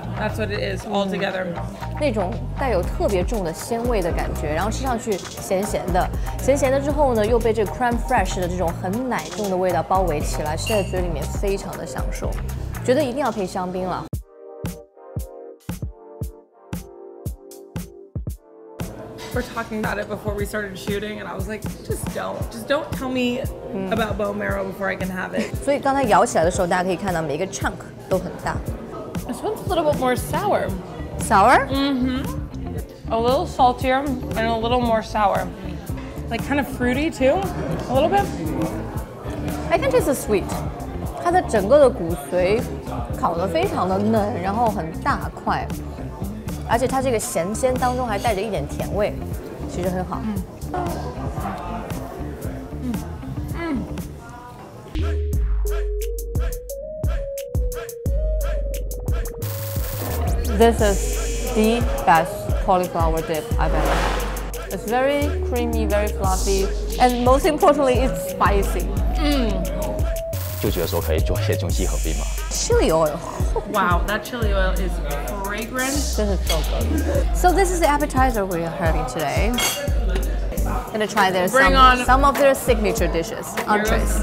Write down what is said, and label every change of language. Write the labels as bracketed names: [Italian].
[English] That's what it is all together.、 [Chinese] 那种带有特别重的鲜味的感觉，然后吃上去咸咸的，咸咸的之后呢，又被这 cream fresh 的这种很奶重的味道包围起来，吃在嘴里面非常的享受，觉得一定要配香槟了。 [English] We're talking about it before we started shooting, and I was like, just don't tell me about bone marrow before I can have it. [Chinese] 所以刚才咬起来的时候，大家可以看到每一个 chunk 都很大。 [English] This one's a little bit more sour. Sour? Mm-hmm. A little saltier and a little more sour. Like kind of fruity too, a little bit. I think it's a sweet. [Chinese] 它的整个的骨髓烤得非常的嫩，然后很大块，而且它这个咸鲜当中还带着一点甜味，其实很好。嗯。 [English] This is the best cauliflower dip I've ever had. It's very creamy, very fluffy, and most importantly, it's spicy. 嗯， [Chinese] 就觉得说可以做一些中西合璧吗 [English] ？Chili oil. Wow, that chili oil is fragrant. This is so good. So this is the appetizer we are having today. Gonna try their some of their signature dishes, entrees.